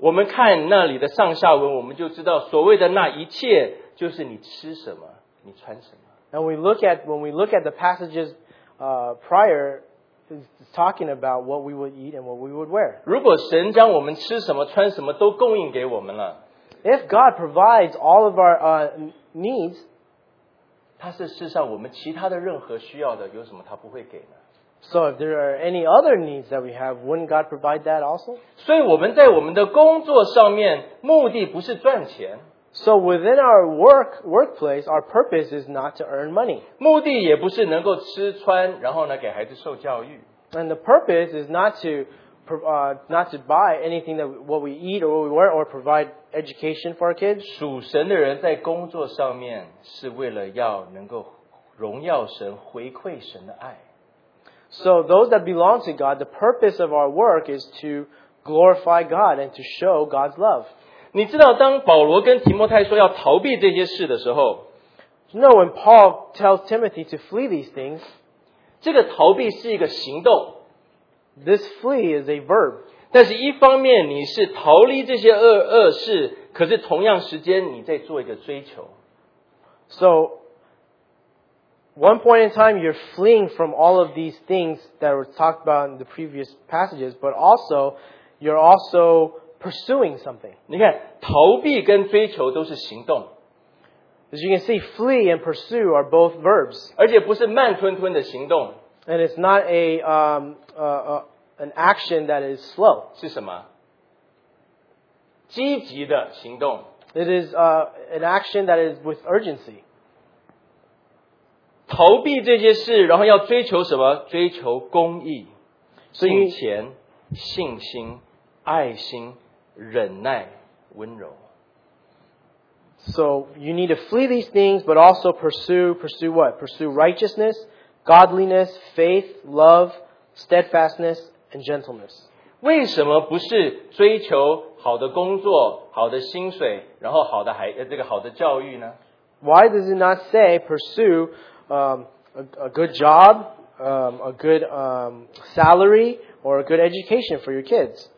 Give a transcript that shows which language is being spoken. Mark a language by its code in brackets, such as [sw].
[zh] 我们看那里的上下文，我们就知道所谓的那一切就是你吃什么，你穿什么。 [en] And when we look at the passages, prior, it's talking about what we would eat and what we would wear. [zh] 如果神将我们吃什么、穿什么都供应给我们了 [en] ，If God provides all of our needs, [zh] 他是世上我们其他的任何需要的，有什么他不会给呢？ [en] So if there are any other needs that we have, wouldn't God provide that also? [zh] 所以我们在我们的工作上面, 目的不是赚钱。 [en] So within our workplace, our purpose is not to earn money. [zh] 目的也不是能够吃穿, 然后呢, 给孩子受教育。 [en] And the purpose is not to buy anything that what we eat or what we wear or provide education for our kids. [zh] 属神的人在工作上面是为了要能够荣耀神回馈神的爱。 [en] So those that belong to God, the purpose of our work is to glorify God and to show God's love. [zh] 你知道当保罗跟提摩太说要逃避这些事的时候, [en] you know, when Paul tells Timothy to flee these things, [zh] 这个逃避是一个行动, [en] this flee is a verb. [zh] 但是一方面你是逃离这些恶事, 可是同样时间你在做一个追求。 [en] So, one point in time, you're fleeing from all of these things that were talked about in the previous passages, but also, you're also pursuing something. [zh] 你看, 逃避跟追求都是行动。 [en] As you can see, flee and pursue are both verbs. [zh] 而且不是慢吞吞的行动。 [en] And it's not a, an action that is slow. [zh] 是什么?积极的行动。 [en] It is, an action that is with urgency. [zh] 逃避这些事, 然后要追求什么? 追求公义, 敬虔, 信心, 爱心, 忍耐, 温柔。 [en] So you need to flee these things, but also pursue what? Pursue righteousness, godliness, faith, love, steadfastness, and gentleness. [zh] 为什么不是追求好的工作, 好的薪水, 然后好的教育呢? [en] Why does it not say pursue a good job, a good salary, or a good education for your kids?